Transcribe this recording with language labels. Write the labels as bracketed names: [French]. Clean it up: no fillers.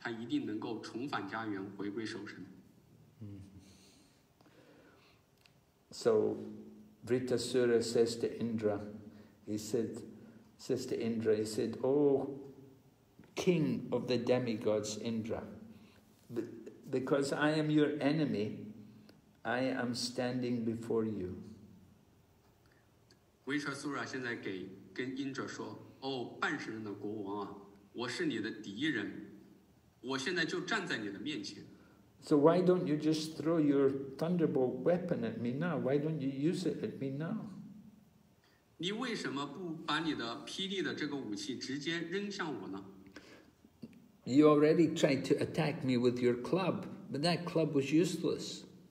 [Chinese] 倘若你能够得到一个伟大的奉献者，他莲花足下的尘土，他一定能够重返家园，回归守神。 [English] So Vritasura says to Indra, he said, oh, king of the demigods, Indra, because I am your enemy, I am standing before you. [Chinese] Vritasura 现在跟Indra说, oh, 半神人的国王啊,我是你的敌人,我现在就站在你的面前。 [English] So why don't you just throw your thunderbolt weapon at me now? Why don't you use it at me now? [Chinese] 你为什么不把你的霹雳的这个武器直接扔向我呢? [English] You already tried to attack me with your club, but that club was useless.